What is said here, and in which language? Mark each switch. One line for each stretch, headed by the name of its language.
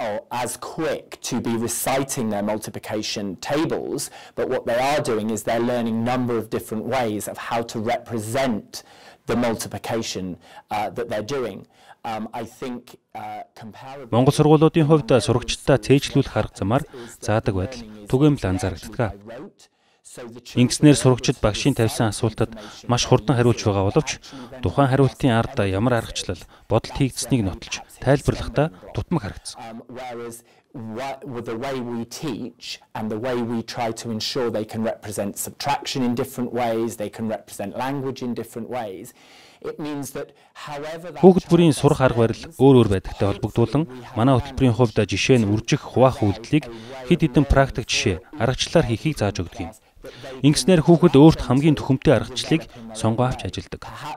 English: As quick to be reciting their multiplication tables, but what they are doing is they're learning a number of different ways of how to represent the multiplication that they're doing.
Mongolian: Монгол сургуулиудын хувьд сурагчдаа цээжлүүлэх арга замаар заадаг байдал түгээмэл анзаардаг. Ингэснээр сурагчид багшийн тавьсан асуултад маш хурдан хариулж байгаа боловч тухайн хариултын ард ямар аргачлал бодолд хийгдсэнийг нотолж тайлбарлахдаа тутмаг харагдсан.
English: With the way we teach and the way we try to ensure they can represent subtraction in different ways, they can represent language in different ways.
Mongolian: Хүүхэд бүрийн сурах арга барил өөр өөр байдагтай холбогдуулан манай хөтөлбөрийн хувьд жишээ нь үржих хуваах үйлдэлийг хэд хэдэн практик жишээ аргачлалаар хийхийг зааж өгдөг юм. Ингэснээр хүүхэд өөрт хамгийн төхөмтэй аргачлалыг сонгоо авч ажилддаг.